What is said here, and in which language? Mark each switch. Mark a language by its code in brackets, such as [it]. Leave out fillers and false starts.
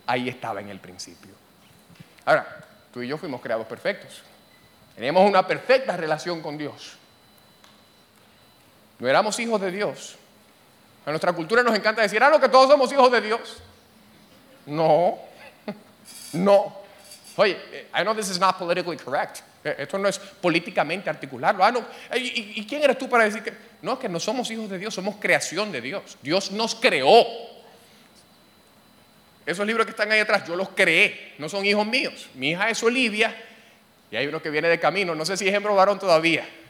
[es] Ahí estaba en el principio. Ahora, tú y yo fuimos creados perfectos. Teníamos una perfecta relación con Dios. No éramos hijos de Dios. A nuestra cultura nos encanta decir, ah, no, que todos somos hijos de Dios. No, no. [en] Oye, I know this is not politically correct. [es] Esto no es políticamente articularlo. Ah, no. ¿Y quién eres tú para decir que? No, es que no somos hijos de Dios, somos creación de Dios. Dios nos creó. Esos libros que están ahí atrás, yo los creé, no son hijos míos. Mi hija es Olivia y hay uno que viene de camino, no sé si es hembra o varón todavía.